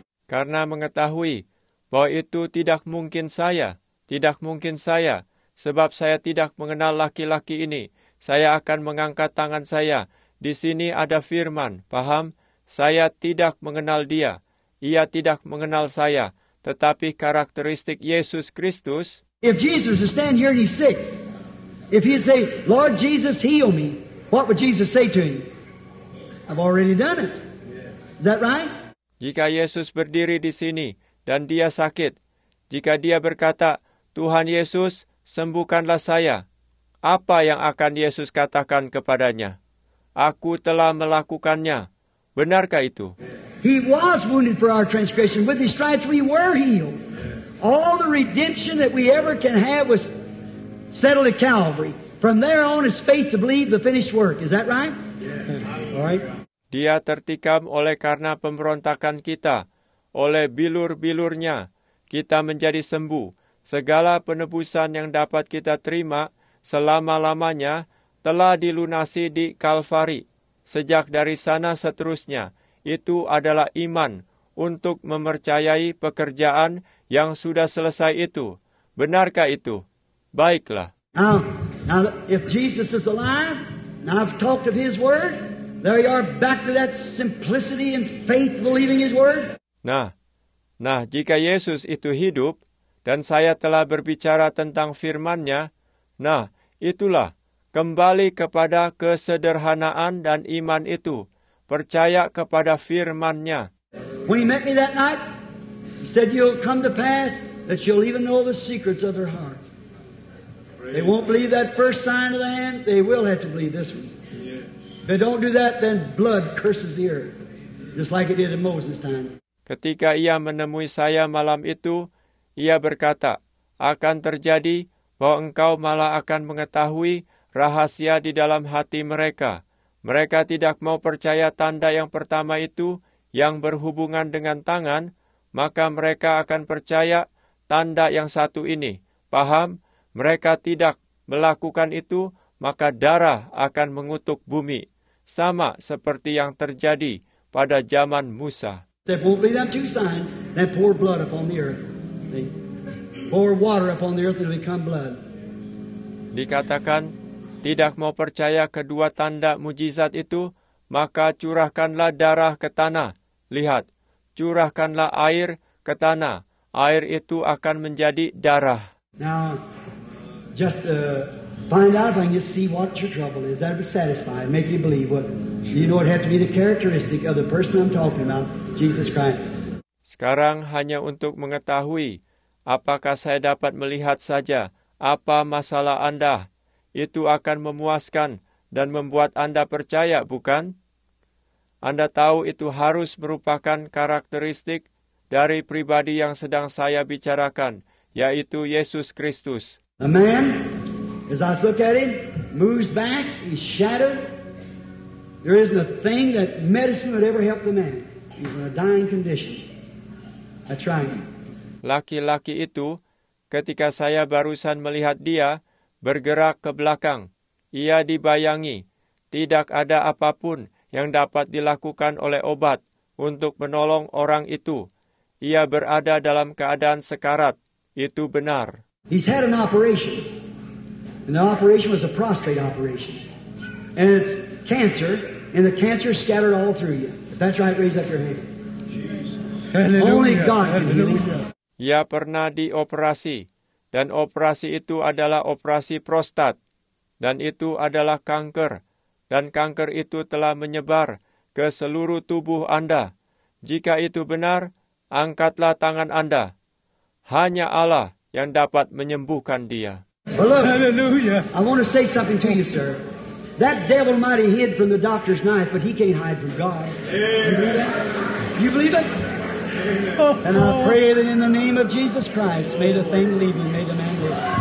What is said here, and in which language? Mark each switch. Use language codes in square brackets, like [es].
[id] Karena mengetahui bahwa itu tidak mungkin saya. Tidak mungkin saya, sebab saya tidak mengenal laki-laki ini. Saya akan mengangkat tangan saya. Di sini ada firman, paham? Saya tidak mengenal dia. Ia tidak mengenal saya. Tetapi karakteristik Yesus Kristus. [en] If Jesus is standing here and he's sick, if he'd say, Lord Jesus, heal me, what would Jesus say to him? I've already done it. Is that right? [id] Jika Yesus berdiri di sini dan dia sakit, jika dia berkata, Tuhan Yesus, sembuhkanlah saya. Apa yang akan Yesus katakan kepadanya? Aku telah melakukannya. Benarkah itu? [en] He was wounded for our transgression. With his stripes we were healed. All the redemption that we ever can have was settled at Calvary. From there on is faith to believe the finished work. Is that right? Yeah. All right. [id] Dia tertikam oleh karena pemberontakan kita. Oleh bilur-bilurnya, kita menjadi sembuh. Segala penebusan yang dapat kita terima selama-lamanya telah dilunasi di Kalvari. Sejak dari sana seterusnya, itu adalah iman untuk mempercayai pekerjaan yang sudah selesai itu. Benarkah itu? Baiklah. [en] Now, if Jesus is alive, and I've talked of his word, there you are back to that simplicity and faith believing his word. [id] Nah, jika Yesus itu hidup, dan saya telah berbicara tentang firman-Nya. Nah, itulah, kembali kepada kesederhanaan dan iman itu. Percaya kepada firman-Nya. [en] When he met me that night, he said, "You'll come to pass that you'll even know the secrets of their heart. They won't believe that first sign of the hand, they will have to believe this one. If they don't do that, then blood curses the earth, just like it did in Moses' time." [id] Ketika ia menemui saya malam itu, ia berkata, "Akan terjadi bahwa engkau malah akan mengetahui rahasia di dalam hati mereka. Mereka tidak mau percaya tanda yang pertama itu yang berhubungan dengan tangan, maka mereka akan percaya tanda yang satu ini. Paham? Mereka tidak melakukan itu, maka darah akan mengutuk bumi. Sama seperti yang terjadi pada zaman Musa." [en] There won't be them two signs, then pour blood upon the earth. Pour water upon the earth and become blood. [id] Dikatakan, tidak mau percaya kedua tanda mujizat itu, maka curahkanlah darah ke tanah. Lihat, curahkanlah air ke tanah. Air itu akan menjadi darah. [en] Now, just find out if I can just see what your trouble is. That would satisfy, make you believe what, you know, it had to be the characteristic of the person I'm talking about, Jesus Christ. [id] Sekarang hanya untuk mengetahui, apakah saya dapat melihat saja apa masalah Anda? Itu akan memuaskan dan membuat Anda percaya, bukan? Anda tahu itu harus merupakan karakteristik dari pribadi yang sedang saya bicarakan, yaitu Yesus Kristus. [en] A man, as I look at him, moves back, he's shattered. There isn't a thing that medicine would ever help the man. He's in a dying condition. That's right. [id] Laki-laki itu, ketika saya barusan melihat dia, bergerak ke belakang. Ia dibayangi, tidak ada apapun yang dapat dilakukan oleh obat untuk menolong orang itu. Ia berada dalam keadaan sekarat. Itu benar. [en] He's had an operation. And the operation was a prostate operation. And it's cancer, and the cancer scattered all through you. If that's right, raise up your hand. Hallelujah. Only God can heal you. [id] Ia pernah dioperasi, dan operasi itu adalah operasi prostat, dan itu adalah kanker, dan kanker itu telah menyebar ke seluruh tubuh Anda. Jika itu benar, angkatlah tangan Anda. Hanya Allah yang dapat menyembuhkan dia. [en] Hallelujah. I want to say something to you, sir. That devil might have hid from the doctor's knife, but he can't hide from God. You believe that? You believe it? And I pray that in the name of Jesus Christ, may the thing leave you, may the man live.